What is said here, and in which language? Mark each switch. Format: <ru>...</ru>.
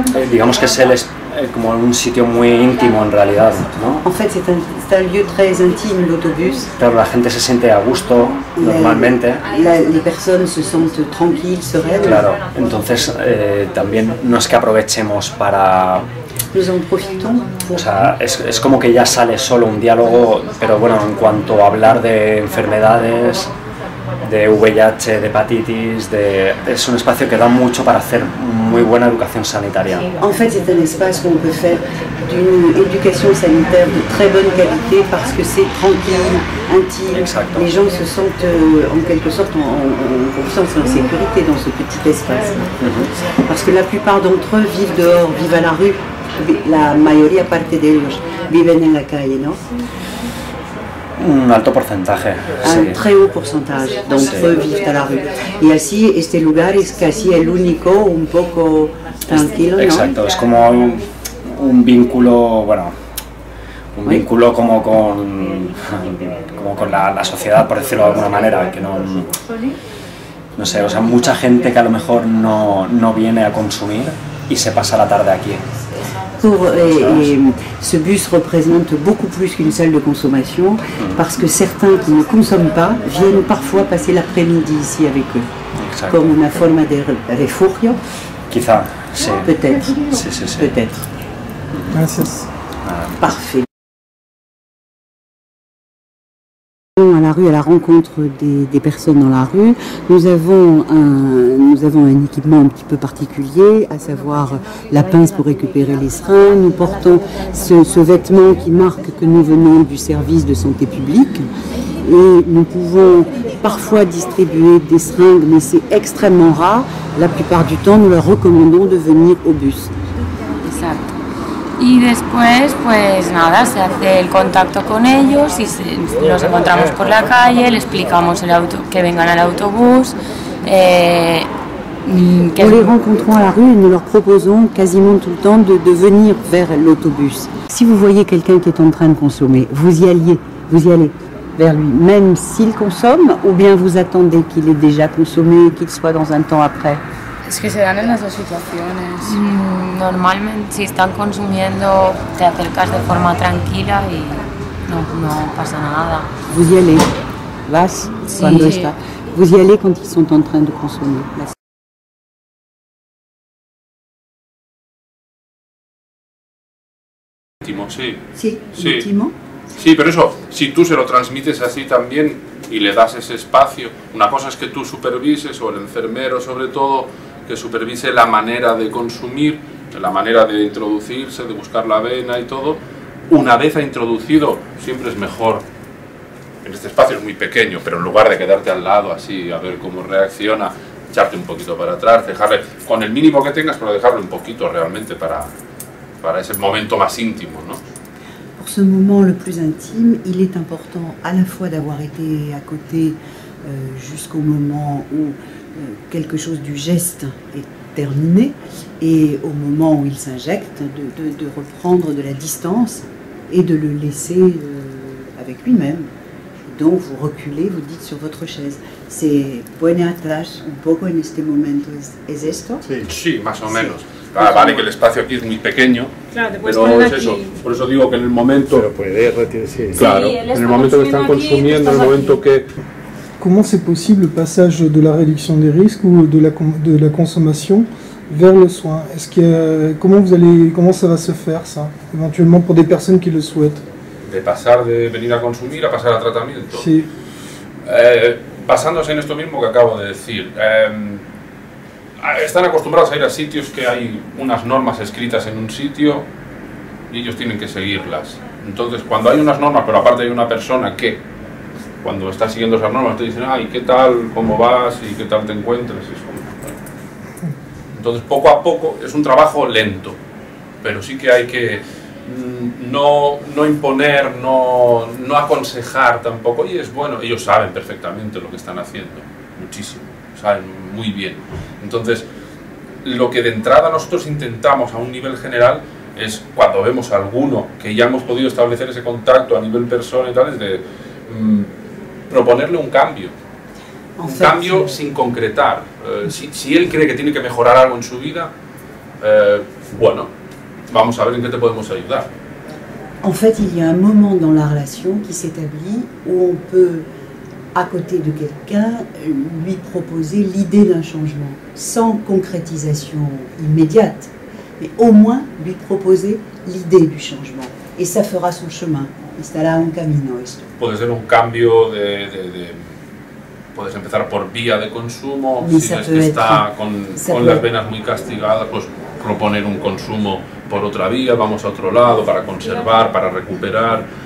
<es>Digamos que es como un sitio muy íntimo en realidad, ¿no?</es> <fr>En fait, c'est un lieu très intime, l'autobús.</fr> <es>Claro, la gente se siente a gusto normalmente.</es> <fr>Les personnes se sentent tranquilles, sereines.</fr> <es>Claro, entonces también no es que aprovechemos para.</es> <fr>Nous en profitons.</fr> <es>O sea, es como que ya sale solo un diálogo, pero bueno, en cuanto a hablar de enfermedades. De VIH, de hepatitis, es un espacio que da mucho para hacer muy buena educación sanitaria.</es> <fr>En fait, c'est un espace où on peut faire d'une éducation sanitaire de très bonne qualité parce que c'est tranquille, intime.</fr> <es>Exacto.</es> <fr>Les gens se sentent en quelque sorte en confiance, en sécurité dans ce petit espace. Mm-hmm. Parce que la plupart d'entre eux vivent dehors, vivent à la rue.</fr> <es>La mayoría parte de ellos viven en la calle, ¿no? Un alto porcentaje. Un sí.</es> <fr>Très haut pourcentage d'entre eux vivent à la rue. Et ainsi,</fr> <es>este lugar es casi el único, un poco tranquilo. Exacto, ¿no? Es como un vínculo, bueno, un oui. Vínculo como con la sociedad, por decirlo de alguna manera, que no. no sé, o sea, mucha gente que a lo mejor no viene a consumir y se pasa la tarde aquí.</es> <fr>Pour, et ce bus représente beaucoup plus qu'une salle de consommation parce que certains qui ne consomment pas viennent parfois passer l'après-midi ici avec eux. Exactement. Comme une forme de refugio.</fr> <es>Quizá, sí.</es> <fr>Peut-être.</fr> <es>Sí, sí, sí.</es> <fr>Peut-être. Merci. Parfait. À la rue, à la rencontre des personnes dans la rue. Nous avons un équipement un petit peu particulier, à savoir la pince pour récupérer les seringues. Nous portons ce vêtement qui marque que nous venons du service de santé publique. Et nous pouvons parfois distribuer des seringues, mais c'est extrêmement rare. La plupart du temps, nous leur recommandons de venir au bus. Exact.</fr> <es>Y después, pues nada, se hace el contacto con ellos y los encontramos por la calle, le explicamos el auto, que vengan al autobús.</es> <fr>Nous les rencontrons à la rue et nous leur proposons quasiment tout le temps de venir vers l'autobus. Si vous voyez quelqu'un qui est en train de consommer, vous y allez vers lui, même s'il consomme, ou bien vous attendez qu'il ait déjà consommé et qu'il soit dans un temps après?</fr> <es>Es que se dan en las dos situaciones. Normalmente, si están consumiendo, te acercas de forma tranquila y no pasa nada.</es> <fr>Vous y allez. Vas,</fr> <es>sí. Cuando está.</es> <fr>Vous y allez quand ils sont en train de consommer.</fr> <es>Último, sí. Sí, sí. Último. Sí, pero eso, si tú se lo transmites así también y le das ese espacio, una cosa es que tú supervises, o el enfermero sobre todo, que supervise la manera de consumir, la manera de introducirse, de buscar la vena y todo. Una vez ha introducido, siempre es mejor. En este espacio es muy pequeño, pero en lugar de quedarte al lado así a ver cómo reacciona, echarte un poquito para atrás, dejarle con el mínimo que tengas, pero dejarle un poquito realmente para ese momento más íntimo, ¿no? Por ese momento lo más íntimo,</es> <fr>il est important à la fois d'avoir été à côté jusqu'au moment où quelque chose du geste est terminé, et au moment où il s'injecte, de reprendre de la distance et de le laisser avec lui-même. Donc vous reculez, vous dites sur votre chaise.</fr> <es>C'est buena atrás, un poco en este momento, ¿es esto? Sí, más o menos. Sí. Ah, vale, que el espacio aquí es muy pequeño, claro, pero es eso. Por eso digo que en el momento. Pero puede retirarse. Claro, sí, en el momento que están aquí, consumiendo, en el momento aquí. Que.</es> <fr>Comment c'est possible le passage de la réduction des risques ou de la consommation vers le soin? Est-ce que comment ça va se faire ça, éventuellement pour des personnes qui le souhaitent? De passer de venir à consommer à passer à traitement.</fr> <es>Sí. Basándose en esto mismo que acabo de decir, están acostumbrados a ir a sitios que hay unas normas escritas en un sitio y ellos tienen que seguirlas. Entonces, cuando hay unas normas, pero aparte hay una persona que cuando estás siguiendo esas normas te dicen, ay, ¿qué tal? ¿Cómo vas? ¿Y qué tal te encuentras? Eso. Entonces, poco a poco, es un trabajo lento, pero sí que hay que no imponer, no aconsejar tampoco. Y es bueno, ellos saben perfectamente lo que están haciendo, muchísimo, saben muy bien. Entonces, lo que de entrada nosotros intentamos a un nivel general es cuando vemos a alguno que ya hemos podido establecer ese contacto a nivel personal y tal, es de proponerle un cambio, un cambio sin concretar. Si él cree que tiene que mejorar algo en su vida, bueno, vamos a ver en qué te podemos ayudar.</es> <fr>En fait, il y a un moment dans la relation qui s'établit où on peut, à côté de quelqu'un, lui proposer l'idée d'un changement, sans concrétisation immédiate, mais au moins lui proposer l'idée du changement, et ça fera son chemin.</fr> <es>Estará un camino esto. Puede ser un cambio de puedes empezar por vía de consumo, y si es que está con las venas muy castigadas, pues proponer un consumo por otra vía, vamos a otro lado para conservar, para recuperar.</es>